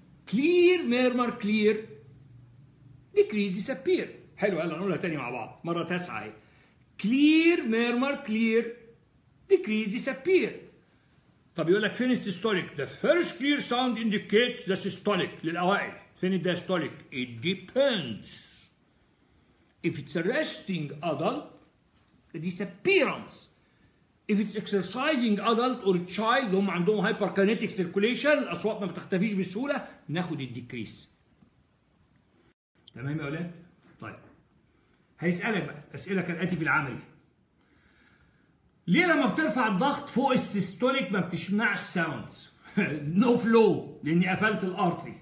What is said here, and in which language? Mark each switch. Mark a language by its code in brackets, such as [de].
[en] Clear murmur clear, decrease disappear. [ar] حلو، يلا نقولها تاني مع بعض مره تسعه اهي. كلير ميرمر كلير، ديكريز ديسابير. طب يقول لك فين السيستوليك؟ [en] The first clear sound indicates the systolic, للاوائل. [ar] فين الدايستوليك؟ [en] It depends. If it's a resting adult, a disappearance. If it's exercising adult or child، هم عندهم hyperkinetic circulation، [ar] الأصوات ما بتختفيش بسهولة، ناخد الديكريس. تمام يا أولاد؟ طيب. هيسألك بقى أسئلة كالآتي في العمل. ليه لما بترفع الضغط فوق السيستوليك ما بتسمعش sounds؟ نو فلو، لاني قفلت الارتري.